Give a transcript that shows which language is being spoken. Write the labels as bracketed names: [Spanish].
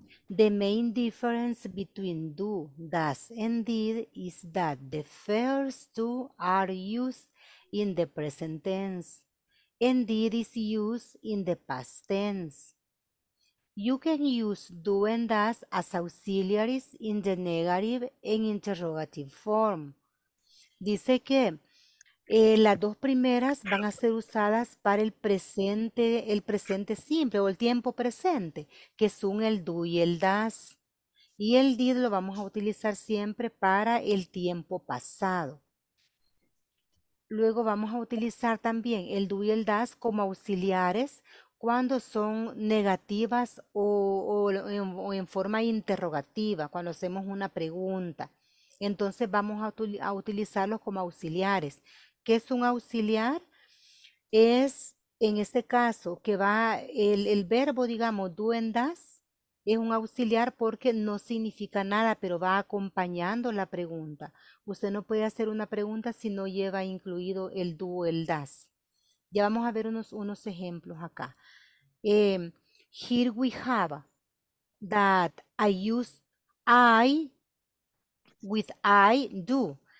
[English] The main difference between do, does, and did is that the first two are used in the present tense. And did is used in the past tense. You can use do and does as auxiliaries in the negative and interrogative form. [Spanish] Dice que las dos primeras van a ser usadas para el presente simple o el tiempo presente, que son el do y el does. Y el did lo vamos a utilizar siempre para el tiempo pasado. Luego vamos a utilizar también el do y el does como auxiliares cuando son negativas o en forma interrogativa, cuando hacemos una pregunta. Entonces vamos a utilizarlos como auxiliares. ¿Qué es un auxiliar? Es, en este caso, que va el verbo, digamos, do and does, es un auxiliar porque no significa nada, pero va acompañando la pregunta. Usted no puede hacer una pregunta si no lleva incluido el do o el does. Ya vamos a ver unos ejemplos acá. [English] Here we have that I use I with I do.